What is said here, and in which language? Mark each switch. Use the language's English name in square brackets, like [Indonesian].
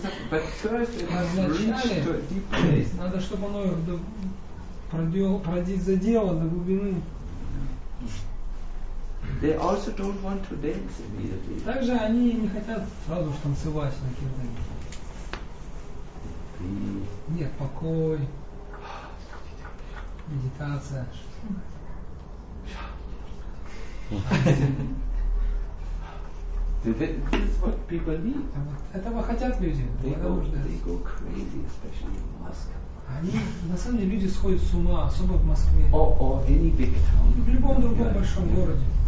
[English] But first, it must reach to a deep place. [Russian] Надо чтобы оно проделал, задело до глубины. [English] They also don't want to dance immediately. [Russian] Также они не хотят сразу же танцевать на кирдане. Нет, покой. Медитация. [English] This is what people need. [Russian] Этого хотят люди. [English] They go crazy, especially in Moscow. [Russian] Они, на самом деле, люди сходят с ума, особо в Москве. [English] Or any big town. [Russian] В любом другом большом городе.